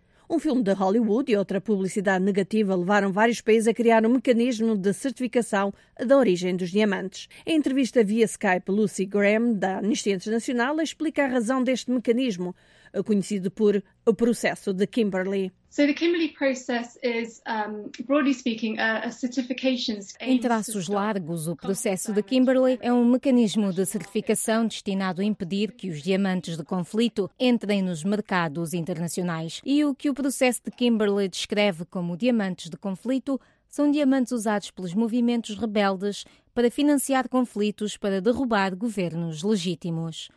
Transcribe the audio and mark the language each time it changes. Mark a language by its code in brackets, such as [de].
[pt] Um filme de Hollywood e outra publicidade negativa levaram vários países a criar um mecanismo de certificação da origem dos diamantes. Em entrevista via Skype, Lucy Graham, da Anistia Internacional, explica a razão deste mecanismo, conhecido por o processo de Kimberley. [en] So the Kimberley process is, broadly speaking, a certification. [pt] Em traços largos, o processo de Kimberley é um mecanismo de certificação destinado a impedir que os diamantes de conflito entrem nos mercados internacionais. E o que o processo de Kimberley descreve como diamantes de conflito são diamantes usados pelos movimentos rebeldes para financiar conflitos para derrubar governos legítimos.